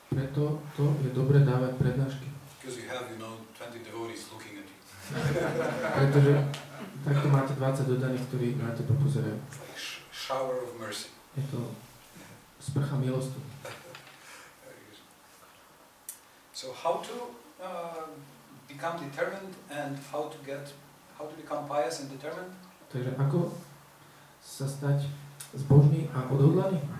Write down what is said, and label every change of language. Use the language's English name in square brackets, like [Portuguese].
[Slovak] Preto to je dobre dávať prednášky. [English] Because you have, you know, 20 devotees looking at you. [Slovak] Pretože takto máte 20 dodaných, ktorí na teba pozerajú. [English] Shower of mercy. [Slovak] Je to sprcha milosti. [English] So how to become determined and how to become pious and determined? [Slovak] Takže ako sa stať zbožný a odhodlaný?